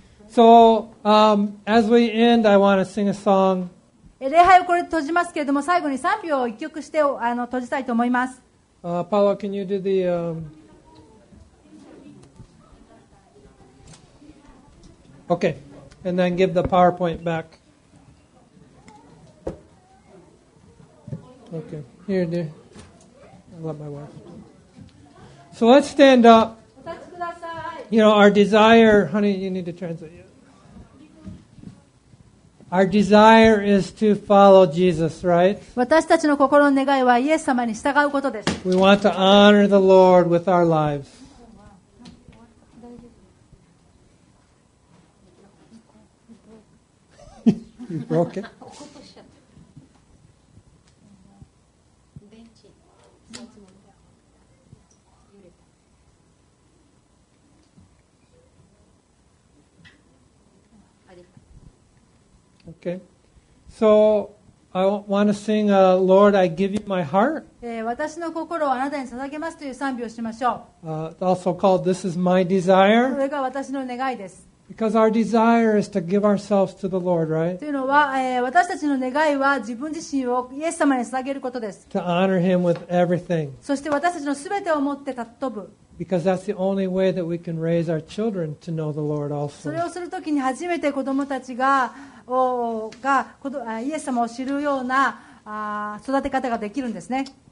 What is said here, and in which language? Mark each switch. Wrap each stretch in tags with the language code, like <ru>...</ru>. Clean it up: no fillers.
<en>So, as we end, I want to sing a song.</en> <ja>礼拝をこれ閉じますけれども、最後に賛美を一曲して閉じたいと思います。</ja> <en>Paula, can you do the, okay, and then give the PowerPoint back. Okay, here, dear. I love my wife. So let's stand up. You know, our desire, honey, you need to translate. Our desire is to follow Jesus, right?</en> <ja>私たちの心の願いはイエス様に従うことです。</ja> <en>We want to honor the Lord with our lives. You broke it? Okay. So I want to sing a Lord, I give you my heart.</en> <ja>私の心をあなたに捧げますという賛美をしましょう。</ja> <en>Also called This is my desire.</en> <ja>これが私の願いです。</ja> <en>Because our desire is to give ourselves to the Lord, right?</en> <ja>というのは、私たちの願いは自分自身をイエス様に捧げることです。</ja> <en>To honor him with everything.</en> <ja>そして私たちのすべてを持って尊ぶ。</ja> <en>Because that's the only way that we can raise our children to know the Lord also.</en> <ja>それをするときに初めて子供たちがイエス様を知るような育て方ができるんですね。</ja>